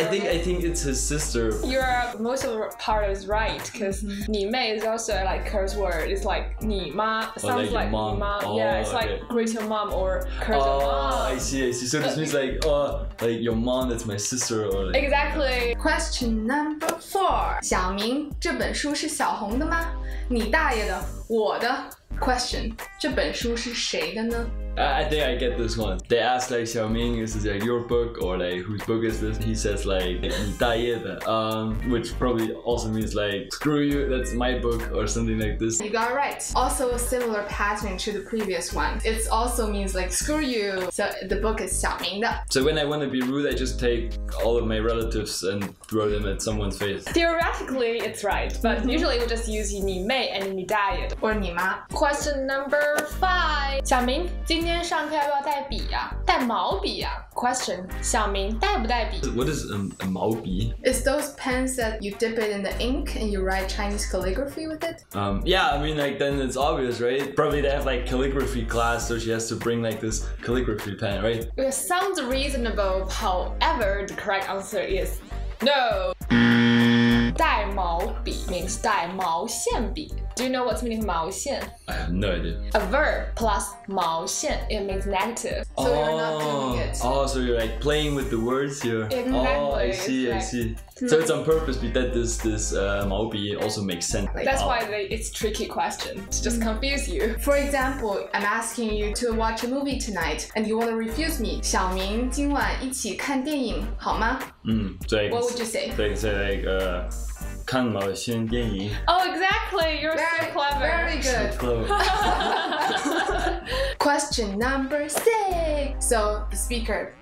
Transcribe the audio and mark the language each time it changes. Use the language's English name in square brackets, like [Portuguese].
[English] I think it's his sister. Your most of the part is right, because [Chinese] 你妹 [English] is also like curse word. It's like [Chinese] 你妈 [English] sounds like [Chinese] 妈 [English] like oh, yeah, it's like、 okay. greet your mom or curse your mom. I see. So this means like like your mom that's my sister or like, exactly. Question number four. [Chinese] 小明，这本书是小红的吗？你大爷的，我的。 [English] Question: [Chinese] 这本书是谁的呢？ [English] I think I get this one. They ask like, 小明, is this like your book? Or like, whose book is this? He says like, [Chinese] 你大爷的, [English] which probably also means like, screw you, that's my book, or something like this. You got it right. Also a similar pattern to the previous one. It also means like, screw you. So the book is [Chinese] 小明的. [English] So when I want to be rude, I just take all of my relatives and throw them at someone's face. Theoretically, it's right. But usually we just use [Chinese] 你妹 [English] and [Chinese] 你大爷的, [English] or [Chinese] 你妈. [English] Question number five. [Chinese] 小明今天上课要不要带笔呀、啊？带毛笔呀、啊、？ [English] Question： [Chinese] 小明带不带笔 [English] ？What is a [Chinese] 毛笔 [English] ？It's those pens that you dip it in the ink and you write Chinese calligraphy with it. Yeah, I mean like then it's obvious, right? Probably they have like calligraphy class, so she has to bring like this calligraphy pen, right? It sounds reasonable. However, the correct answer is no. [Chinese] 带毛笔 [English] means [Chinese] 带毛线笔。 [English] Do you know what's meaning [Chinese] 毛线? [English] I have no idea. A verb plus [Chinese] 毛线, [English] it means negative. So you're not doing it. Oh, so you're like playing with the words here. Exactly. Oh, I see. So it's on purpose that this [Chinese] 毛笔 [English] also makes sense. That's why it's a tricky question to just confuse you. For example, I'm asking you to watch a movie tonight and you want to refuse me. [Chinese] 小明今晚一起看电影好吗? [English] Like, what would you say? Like, [Chinese] 看毛线电影 [English] Oh, exactly. You're very, so clever. Very good. So clever. Question number six. So the speaker.